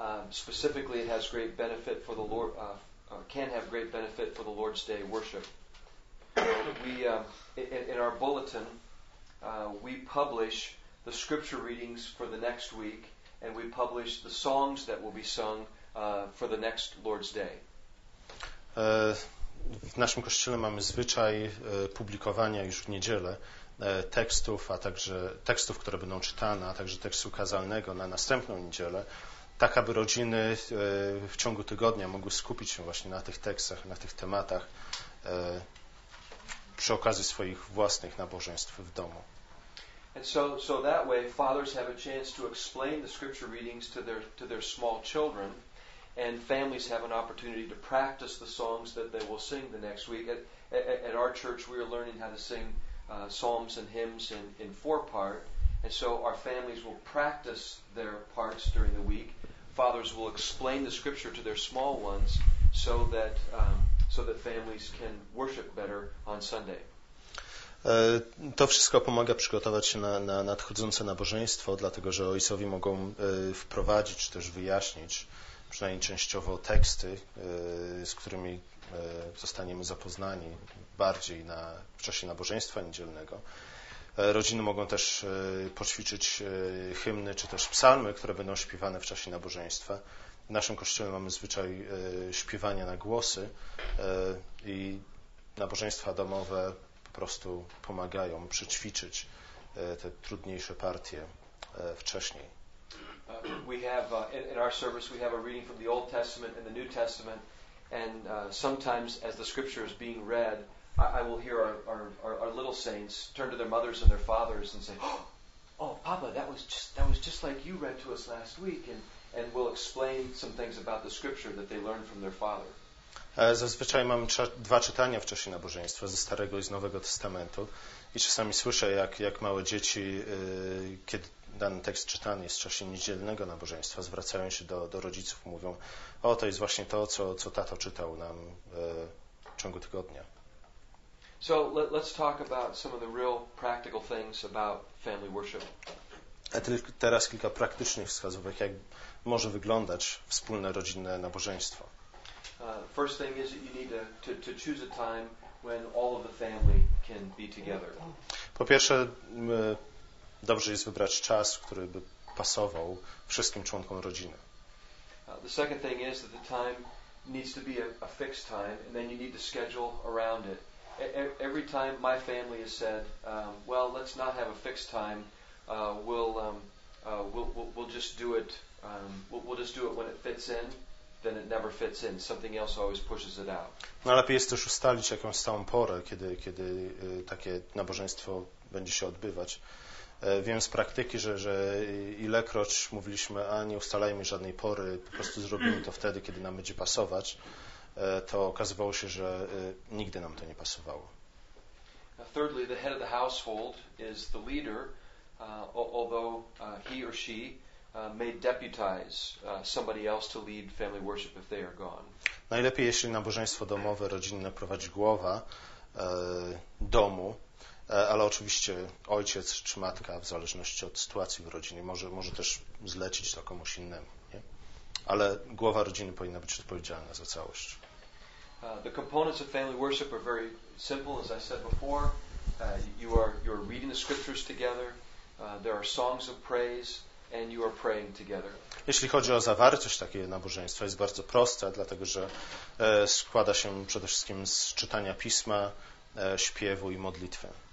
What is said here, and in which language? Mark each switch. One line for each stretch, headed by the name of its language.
English: Specifically, it has great benefit for the Lord. Can have great benefit for the Lord's Day worship. We in our bulletin we publish the scripture readings for the next week, and we publish the songs that will be sung for the next Lord's Day.
Polish: W naszym kościele mamy zwyczaj publikowania już w niedzielę tekstów, a także tekstów, które będą czytane, a także tekstu kazalnego na następną niedzielę, tak aby rodziny w ciągu tygodnia mogły skupić się właśnie na tych tekstach, na tych tematach przy okazji swoich własnych nabożeństw w domu.
English: And so that way fathers have a chance to explain the scripture readings to their small children, and families have an opportunity to practice the songs that they will sing the next week. At our church we are learning how to sing psalms and hymns in four part. And so our families will practice their parts during the week. Fathers will explain the scripture to their small ones so that families can worship better on Sunday.
Polish: To wszystko pomaga przygotować się na nadchodzące nabożeństwo, dlatego że ojcowie mogą wprowadzić czy też wyjaśnić przynajmniej częściowo teksty, z którymi zostaniemy zapoznani bardziej w czasie nabożeństwa niedzielnego. Rodziny mogą też poćwiczyć hymny czy też psalmy, które będą śpiewane w czasie nabożeństwa. W naszym kościele mamy zwyczaj śpiewania na głosy i nabożeństwa domowe po prostu pomagają przećwiczyć te trudniejsze partie wcześniej.
English: We have in our service we have a reading from the Old Testament and the New Testament, and sometimes as the scripture is being read, I will hear our little saints turn to their mothers and their fathers and say, "Oh, Papa, that was just like you read to us last week," and we'll explain some things about the scripture that they learned from their father.
Polish: Zazwyczaj mam dwa czytania w czasie nabożeństwa ze Starego i z Nowego Testamentu i czasami słyszę, jak małe dzieci, kiedy dany tekst czytany jest w czasie niedzielnego nabożeństwa, zwracają się do rodziców i mówią, o, to jest właśnie to, co tato czytał nam w ciągu tygodnia.
English: So let's talk about some of the real practical things about family worship.
Polish: A teraz kilka praktycznych wskazówek, jak może wyglądać wspólne rodzinne nabożeństwo.
English: First thing is that you need to choose a time when all of the family can be together.
Polish: Po pierwsze, dobrze jest wybrać czas, który by pasował wszystkim członkom rodziny.
English: The second thing is that the time needs to be a fixed time, and then you need to schedule around it. Every time my family has said, well, let's not have a fixed time, we'll just do it when it fits in, then it never fits in. Something else always pushes it out.
Polish: No, lepiej jest też ustalić jakąś stałą porę, kiedy takie nabożeństwo będzie się odbywać. Wiem z praktyki, że ilekroć mówiliśmy, a nie ustalajmy żadnej pory, po prostu zrobimy to wtedy, kiedy nam będzie pasować, to okazywało się, że nigdy nam to nie pasowało.
English: Thirdly, the head of the household is the leader, although he or she may deputize somebody else to lead family worship if they are gone.
Polish: Najlepiej, jeśli nabożeństwo domowe, rodzinne prowadzi głowa domu, ale oczywiście ojciec czy matka, w zależności od sytuacji w rodzinie, może też zlecić to komuś innemu. Nie? ale głowa rodziny powinna być odpowiedzialna za całość.
English: The components of family worship are very simple, as I said before. You are reading the scriptures together. There are songs of praise, and you are praying together.
Polish: Jeśli chodzi o zawartość takiego nabożeństwa, jest bardzo prosta, dlatego że składa się przede wszystkim z czytania pisma, śpiewu i modlitwy.